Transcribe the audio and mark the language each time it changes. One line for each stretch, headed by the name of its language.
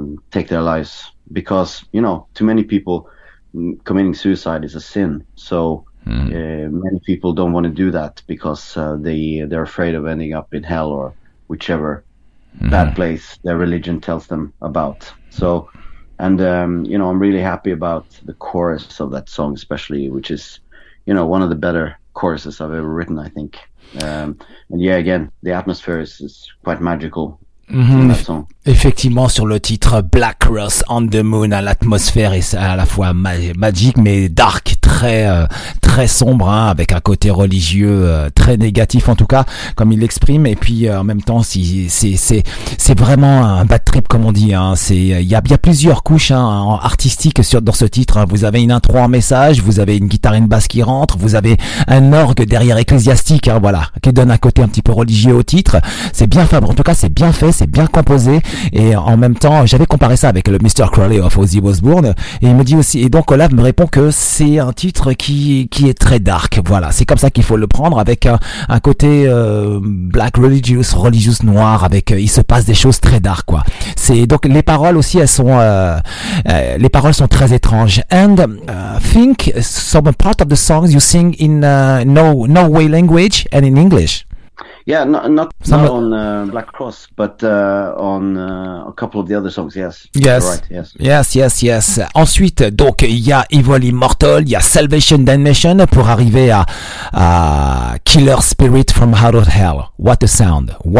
English: take their lives, because, you know, too many people, committing suicide is a sin, so many people don't want to do that because they're afraid of ending up in hell or whichever bad place their religion tells them about. So, and you know, I'm really happy about the chorus of that song especially, which is, you know, one of the better choruses I've ever written, I think. And yeah, again, the atmosphere is quite magical.
French: Effectivement, sur le titre Black Cross on the Moon, à l'atmosphère est à la fois magique mais dark, très très sombre, hein, avec un côté religieux très négatif en tout cas comme il l'exprime, et puis en même temps c'est vraiment un bad trip comme on dit, hein. C'est il y a plusieurs couches, hein, artistiques dans ce titre, hein. Vous avez une intro en message, vous avez une guitare et une basse qui rentrent, vous avez un orgue derrière ecclésiastique, hein, voilà, qui donne un côté un petit peu religieux au titre. C'est bien fait, en tout cas c'est bien fait, c'est bien composé, Et en même temps, j'avais comparé ça avec le Mr. Crowley of Ozzy Osbourne. Et il me dit aussi, et donc Olaf me répond que c'est un titre qui est très dark. Voilà, c'est comme ça qu'il faut le prendre, avec un côté
English: black religious,
French: religious noir, avec il se passe des choses très dark, quoi. C'est donc les paroles aussi, elles sont les paroles sont très étranges.
English: And think some part of the songs you sing in Norway language and in English. Yeah, not on Black Cross, but on a couple of the other songs, yes. Yes, right, yes. Yes.
French: Ensuite, donc, il y a Evil Immortal, il y a Salvation Damnation pour arriver à Killer Spirit from Out of Hell.
English: What a sound.